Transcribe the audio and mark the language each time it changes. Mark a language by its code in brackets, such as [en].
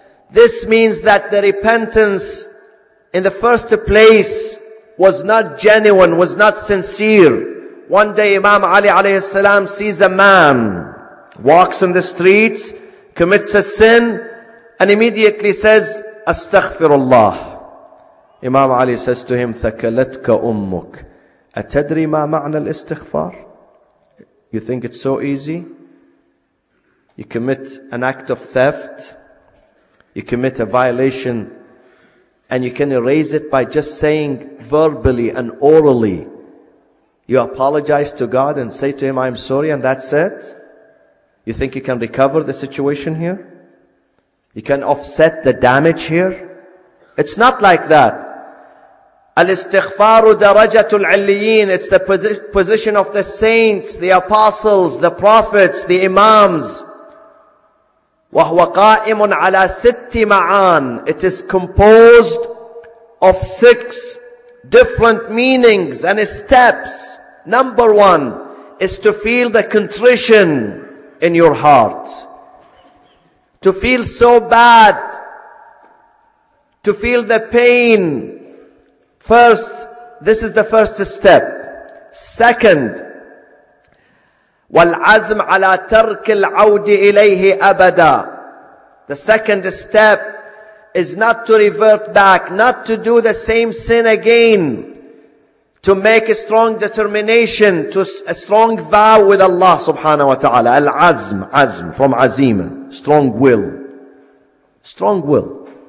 [en] This means that the repentance in the first place was not genuine, was not sincere. One day Imam Ali alayhi salam sees a man, walks in the streets, commits a sin, and immediately says, Astaghfirullah. Imam Ali says to him, [ar] ثَكَلَتْكَ أُمُّكَ أَتَدْرِي مَا مَعْنَى الْإِسْتِغْفَارِ. [en] You think it's so easy? You commit an act of theft, you commit a violation, and you can erase it by just saying verbally and orally. You apologize to God and say to him, I'm sorry, and that's it? You think you can recover the situation here? You can offset the damage here? It's not like that. [ar] Al-istighfaru darajatul aliyin. [en] It's the position of the saints, the apostles, the prophets, the imams. [ar] Wahwa qa'imun ala sitti ma'an. [en] It is composed of six different meanings and steps. Number one is to feel the contrition in your heart. To feel so bad. To feel the pain. First, this is the first step. Second, [ar] والعزم على ترك العود إليه أبدا. [en] The second step is not to revert back, not to do the same sin again. to make a strong determination, to a strong vow with Allah subhanahu wa ta'ala. Al-azm, azm, from azima, strong will. Strong will.